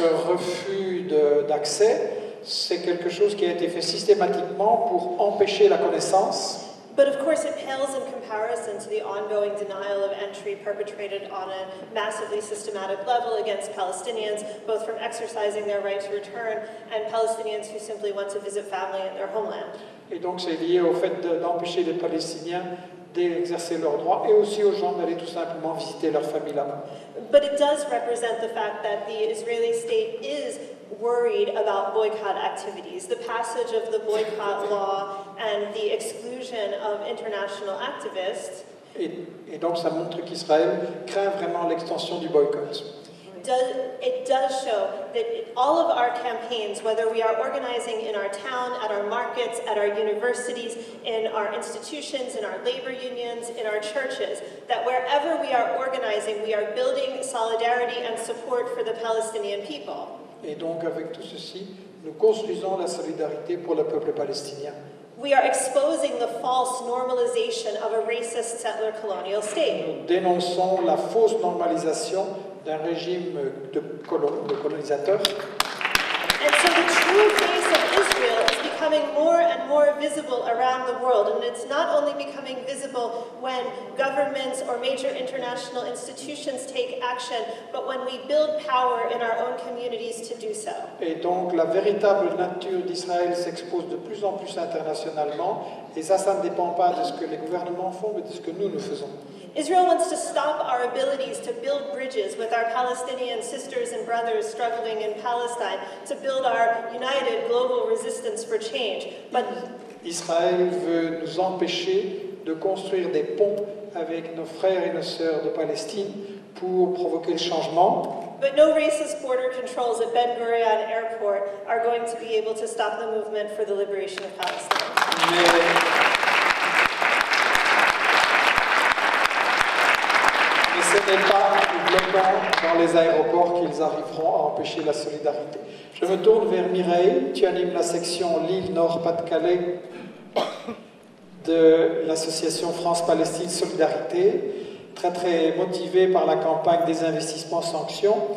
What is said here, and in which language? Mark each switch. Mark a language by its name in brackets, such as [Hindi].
[French] Ce refus d'accès, c'est quelque chose qui a été fait systématiquement pour empêcher la connaissance. [English] But of course, it pales in comparison to the ongoing denial of entry perpetrated on a massively systematic level against Palestinians, both from exercising their right to return and Palestinians who simply want to visit family in their homeland. [French] Et donc, c'est lié au fait d'empêcher les Palestiniens d'exercer leurs droits et aussi aux gens d'aller tout simplement visiter leur famille là-bas. [English] But it does represent the fact that the Israeli state is worried about boycott activities. The passage of the boycott law and the exclusion of international activists. [French] Et donc ça montre qu'Israël craint vraiment l'extension du boycott. [English] It does show that all of our campaigns, whether we are organizing in our town, at our markets, at our universities, in our institutions, in our labor unions, in our churches, that wherever we are organizing, we are building solidarity and support for the Palestinian people. [French] Et donc avec tout ceci, nous construisons la solidarité pour le peuple palestinien. [English] We are exposing the false normalization of a racist settler colonial state. [French] Nous dénonçons la fausse normalisation d'un régime de colons, de colonisateurs. [English] And so the true face of Israel is becoming more and more visible around the world, and it's not only becoming visible when governments or major international institutions take action, but when we build power in our own communities to do so. [French] Et donc la véritable nature d'Israël s'expose de plus en plus internationalement, et ça, ça ne dépend pas de ce que les gouvernements font, mais de ce que nous, nous faisons. [English] Israel wants to stop our abilities to build bridges with our Palestinian sisters and brothers struggling in Palestine, to build our united global resistance for change. But [French] Israël veut nous empêcher de construire des ponts avec nos frères et nos sœurs de Palestine pour provoquer le changement. [English] But no racist border controls at Ben Gurion Airport are going to be able to stop the movement for the liberation of Palestine. [French] Ce n'est pas en bloquant dans les aéroports qu'ils arriveront à empêcher la solidarité. Je me tourne vers Mireille, tu animes la section Lille-Nord-Pas-de-Calais de l'association France-Palestine Solidarité, très très motivée par la campagne des investissements sanctions.